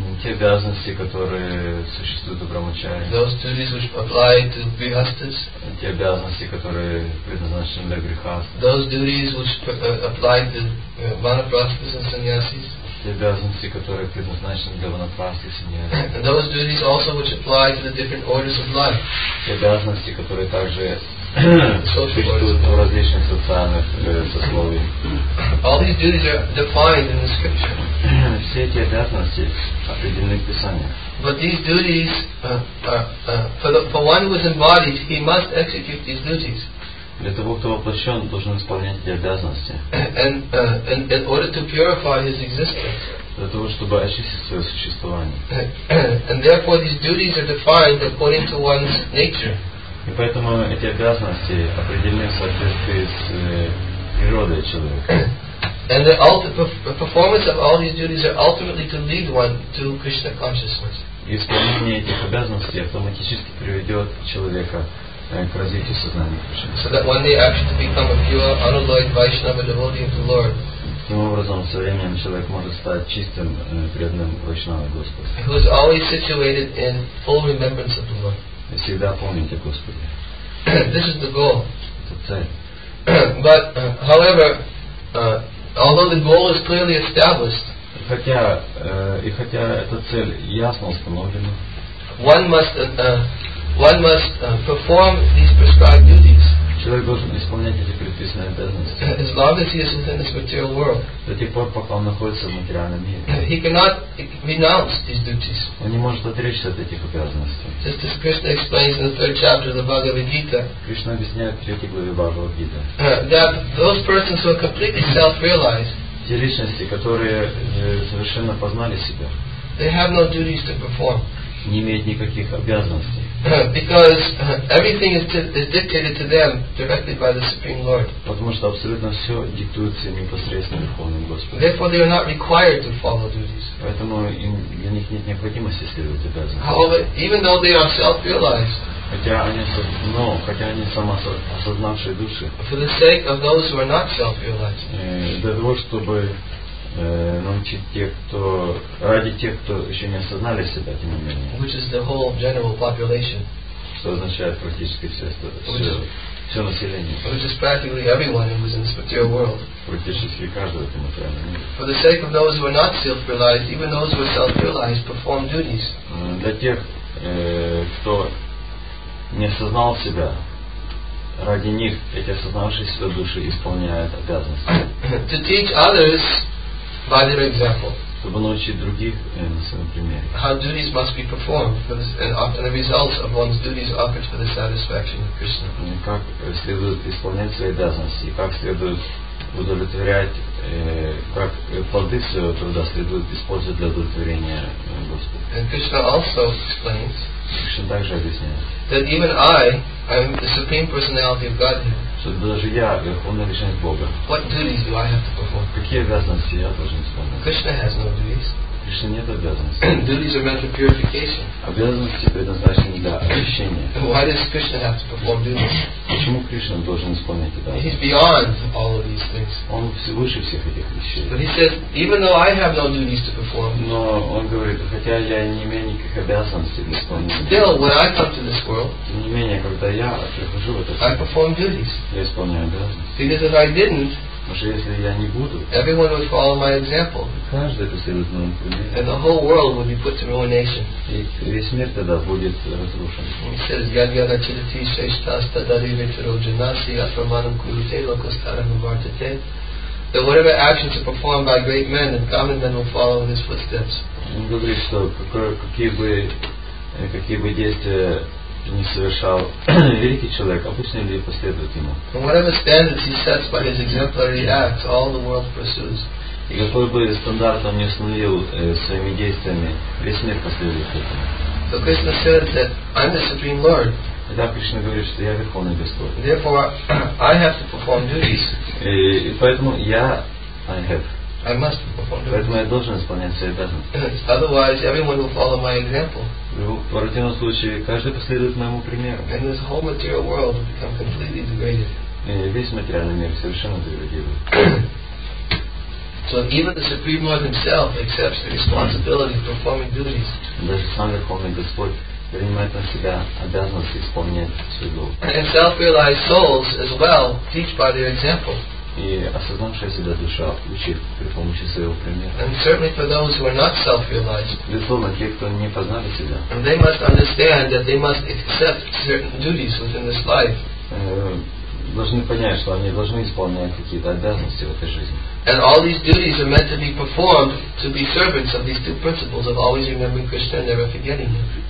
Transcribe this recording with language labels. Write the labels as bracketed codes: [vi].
[ru] Те обязанности, которые существуют у брахмачари. [en] Those duties which apply to grihasthas. [ru] Те обязанности, которые предназначены для грихастов. [en] Those duties which apply to vanaprasthas and sannyasis. [ru] Те обязанности, которые предназначены для ванапрасты и саньяси. [en] And those duties also which apply to the different orders of life. [ru] Те обязанности, которые также существуют в различных социальных сословиях. [en] All these duties are defined in the scripture. [ru] Все эти обязанности определены в Писании. [en] But these duties for one who is embodied, he must execute these duties. [ru] Для того, кто воплощен, должен исполнять эти обязанности. [en] And in order to purify his existence. [ru] Для того, чтобы очистить свое существование. [en] And therefore these duties are defined according to one's nature. [ru] И поэтому эти обязанности определены в соответствии с природой человека. [en] And the performance of all these duties are ultimately to lead one to Krishna consciousness. [ru] И исполнение этих обязанностей автоматически приведет человека к развитию сознания Кришны. [en] So that one day actually become a pure, unalloyed Vaishnava devotee of the Lord. [ru] Таким образом, со временем человек может стать чистым, преданным Вайшнава Господу. [en] Who is always situated in full remembrance of the Lord. [ru] Всегда помните, Господи. [en] This is the goal. [ru] Это цель. [en] But however, although the goal is clearly established, [ru] хотя эта цель ясно установлена, [en] one must perform these prescribed duties. [ru] Человек должен исполнять эти предписанные обязанности. [en] As long as he is within this material world, [ru] до тех пор, пока он находится в материальном мире, [en] he cannot renounce these duties. [ru] Он не может отречься от этих обязанностей. [en] Just as Krishna explains in the third chapter of the Bhagavad Gita, [ru] Кришна объясняет в третьей главе Бхагавад Гита, [en] that those persons who are completely self-realized, [ru] те личности, которые совершенно познали себя, [en] they have no duties to perform. [ru] Не имеют никаких обязанностей. [en] Because everything is dictated to them directly by the Supreme Lord. [ru] Потому что абсолютно все диктуется непосредственно Верховным Господом. [en] Therefore, they are not required to follow duties. [ru] Поэтому для них нет необходимости следовать обязанностям. [en] However, even though they are self-realized, [ru] хотя они самоосознавшие души, [en] for the sake of those who are not self-realized, [ru] для того чтобы научить тех, кто ради тех, кто еще не осознали себя, тем не менее. [en] Which is the whole general population. [ru] Что означает практически все население. [en] Which is practically everyone who is in this material world. [ru] Практически каждого в этом материальном мире. [en] For the sake of those who are not self-realized, even those who are self-realized, perform duties. [ru] Для тех, кто не осознал себя, ради них эти осознавшие себя души исполняют обязанности. [en] To teach others by their example, [ru] чтобы научить других на своем примере, [en] how duties must be performed, and the results of one's duties offered for the satisfaction of Krishna. [ru] Как следует исполнять свои обязанности, как следует удовлетворять, как плоды своего труда следует использовать для удовлетворения Господа. [en] And Krishna also explains, [ru] Кришна также объясняет, [en] that even I am the supreme personality of Godhead. [ru] Что даже я верховная личность Бога. [en] What duties do I have to perform? [ru] Какие обязанности я должен исполнять? [en] Krishna has no duties. [ru] Кришна нет обязанностей. [en] Duties are meant for purification. [ru] Обязанности предназначены для очищения. [en] Why does Krishna have to perform duties? [ru] Почему Кришна должен исполнять обязанности? [en] He's beyond all of these things. [ru] Он выше всех этих вещей. [en] But he says, even though I have no duties to perform, [ru] но он говорит, хотя я не имею никаких обязанностей для исполнения. [en] Still, when I come to this world, [ru] тем не менее, когда я прихожу в это, [en] I perform duties. [ru] Я исполняю обязанности. [en] Because if I didn't, [ru] потому что если я не буду, [en] everyone would follow my example, [ru] каждый последует моему примеру, [en] and the whole world would be put to ruination. [ru] И весь мир тогда будет разрушен. [en] He says, [sa] "Гадгада чилити шештаста дариве тироджинаси атраманам курите локастарам вартите." [en] That whatever actions are performed by great men, the common men will follow in his footsteps. [ru] Он говорит, что какие бы действия не совершал великий человек, обычные люди последуют ему. [en] Whatever standards he sets by his exemplary acts, all the world pursues. [ru] И какой бы стандарт он не установил своими действиями, весь мир последует этому. [en] So Krishna says that I'm the supreme Lord. [ru] Итак, Кришна говорит, что я верховный Господь. [en] Therefore, I have to perform duties. [ru] И поэтому я [en] I must perform duties. [ru] Поэтому я должен исполнять свои обязанности. [en] Otherwise, everyone will follow my example. [ru] В противном случае каждый последует моему примеру. [en] And this whole material world will become completely degraded. [ru] И весь материальный мир совершенно деградирует. [en] So even the Supreme Lord himself accepts the responsibility of performing duties. [ru] Даже сам Верховный Господь принимает на себя обязанность исполнять свой долг. [en] And self-realized souls as well teach by their example. [ru] И осознавшая себя душа учит при помощи своего примера. [en] And certainly for those who are not self-realized, [ru] безусловно, те, кто не познали себя, [en] and they must understand that they must accept certain duties within this life, [ru] должны понять, что они должны исполнять какие-то обязанности в этой жизни. [en] And all these duties are meant to be performed to be servants of these two principles of always remembering Krishna and never forgetting him.